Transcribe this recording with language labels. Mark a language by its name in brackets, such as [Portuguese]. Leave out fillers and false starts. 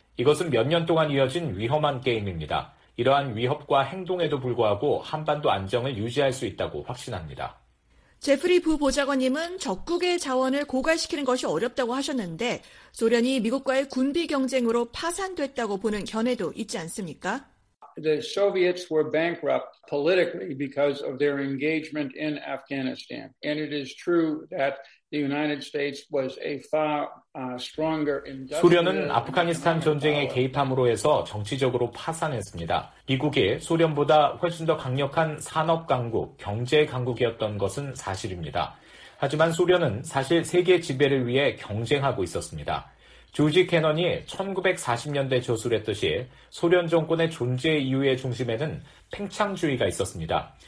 [Korean] 이것은 몇 년 동안 이어진 위험한 게임입니다. 이러한 위협과 행동에도 불구하고 한반도 안정을 유지할 수 있다고 확신합니다. 제프리 부보좌관님은 적국의 자원을 고갈시키는 것이 어렵다고 하셨는데 소련이 미국과의 군비 경쟁으로 파산됐다고 보는 견해도 있지 않습니까? [English] The Soviets were bankrupt politically because of their engagement in Afghanistan. And it is true that the United States was a far stronger industrial. [Korean] 소련은 아프가니스탄 전쟁에 개입함으로 해서 정치적으로 파산했습니다. 미국이 소련보다 훨씬 더 강력한 산업 강국, 경제 강국이었던 것은 사실입니다. 하지만 소련은 사실 세계 지배를 위해 경쟁하고 있었습니다. 조지 캐넌이 1940년대 저술했듯이 소련 정권의 존재 이유의 중심에는 팽창주의가 있었습니다.